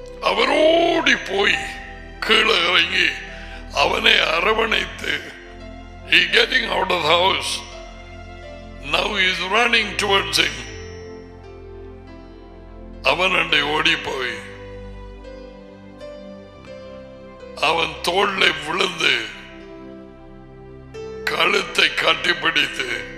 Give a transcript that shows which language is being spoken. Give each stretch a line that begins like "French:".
Tamil: அவர் ஓடி போய் கீழே இறங்கி அவனை அரவணைத்து,
English: he getting out of the house. Now he is running towards him.
Tamil: அவனண்டை ஓடி போய் அவன் தோளை விழுந்து கழுத்தை கட்டிப்பிடித்து,